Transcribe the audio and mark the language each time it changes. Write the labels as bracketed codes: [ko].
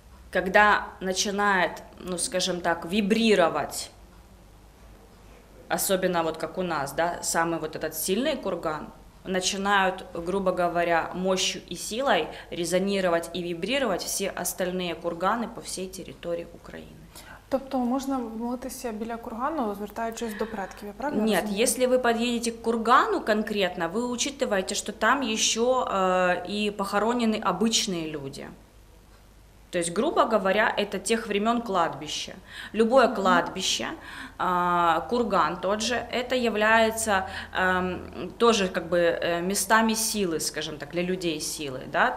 [ru] Когда начинает, ну скажем так, вибрировать, особенно вот как у нас, да, самый вот этот сильный курган, начинают, грубо говоря, мощью и силой резонировать и вибрировать все остальные курганы по всей территории Украины. [uk] Тобто можно молитися біля кургану, звертаючись до предків, я правильно? Нет, розумію? [ru] Если вы подъедете к кургану конкретно, вы учитываете, что там еще и похоронены обычные люди. То есть, грубо говоря, это тех времен кладбище. Любое кладбище, курган тот же, это является тоже как бы местами силы, скажем так, для людей силы, да.